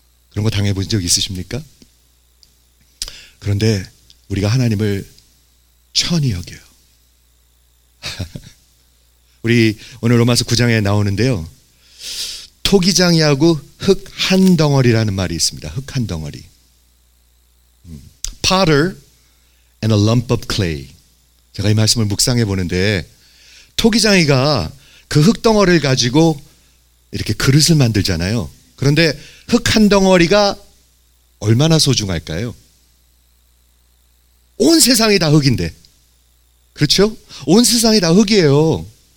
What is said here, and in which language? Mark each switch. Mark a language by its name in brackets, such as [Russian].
[Korean] 그런 거 당해보신 적 있으십니까? 그런데 우리가 하나님을 천히 여겨요. 우리 오늘 로마서 9장에 나오는데요. 토기장이하고 흙 한 덩어리라는 말이 있습니다. 흙 한 덩어리. [English] Potter and a lump of clay. [Korean] 제가 이 말씀을 묵상해 보는데, 토기장이가 그 흙덩어리를 가지고 이렇게 그릇을 만들잖아요. 그런데 흙 한 덩어리가 얼마나 소중할까요? 온 세상이 다 흙인데. 그렇죠? 온 세상이 다 흙이에요.